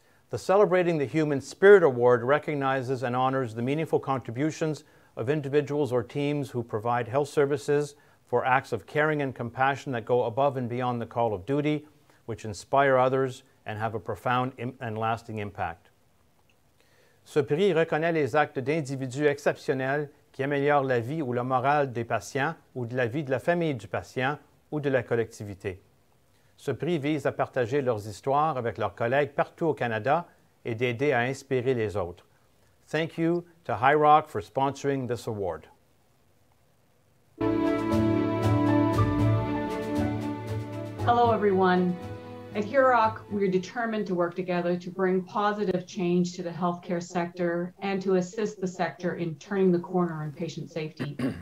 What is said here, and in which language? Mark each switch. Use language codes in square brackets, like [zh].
[en] The Celebrating the Human Spirit Award recognizes and honors the meaningful contributions of individuals or teams who provide health services for acts of caring and compassion that go above and beyond the call of duty, which inspire others and have a profound and lasting impact. [fr] Ce prix reconnaît les actes d'individus exceptionnels qui améliorent la vie ou la morale des patients ou de la vie de la famille du patient ou de la collectivité. Ce prix vise à partager leurs histoires avec leurs collègues partout au Canada et d'aider à inspirer les autres. [en] Thank you to HIROC for sponsoring this award. Hello, everyone. At HIROC, we are determined to work together to bring positive change to the healthcare sector and to assist the sector in turning the corner on patient safety.